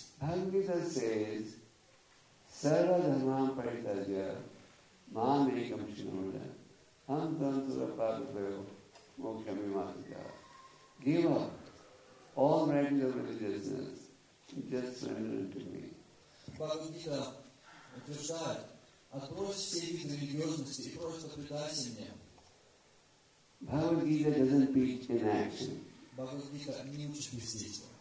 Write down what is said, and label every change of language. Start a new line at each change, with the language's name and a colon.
English: Bhagavad Gita says,
Sanskrit: Sarva Dharmam Paritajya Maamekam Shinoda Ham Dhamsura Prabhupada Mokyami Matita.
English: Give up all rank of religiousness and just surrender it to me.
Russian: Bhagavad Gita утверждает, отбрось все виды религиозности и просто предайся мне.
English: Bhagavad Gita doesn't preach in action.
Russian: Bhagavad Gita не учит действия.